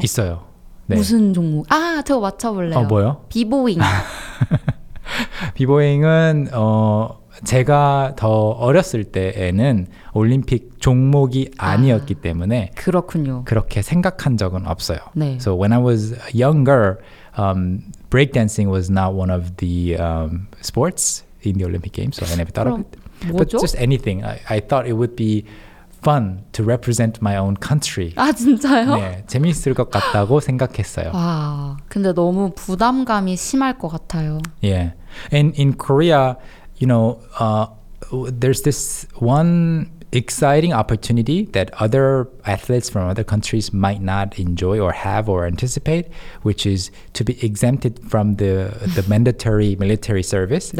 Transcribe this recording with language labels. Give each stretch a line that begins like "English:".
Korean: 있어요. 네. 무슨 종목? 아, 저 맞춰볼래요. 뭐요? 비보잉. 비보잉은 제가 더 어렸을 때에는 올림픽 종목이 아니었기 때문에 그렇군요. 그렇게 생각한 적은 없어요. 네.
English: So when I was younger, breakdancing was not one of the sports in the Olympic Games, so I never thought
Korean: 그럼.
English: Of it.
Korean: 뭐죠?
English: But just anything. I thought it would be fun to represent my own country.
Korean: 아, 진짜요? 네, 재밌을 것 같다고 생각했어요. 와, 근데 너무 부담감이 심할 것 같아요.
English: Yeah. And in Korea, you know, there's this one exciting opportunity that other athletes from other countries might not enjoy or have or anticipate, which is to be exempted from the mandatory military service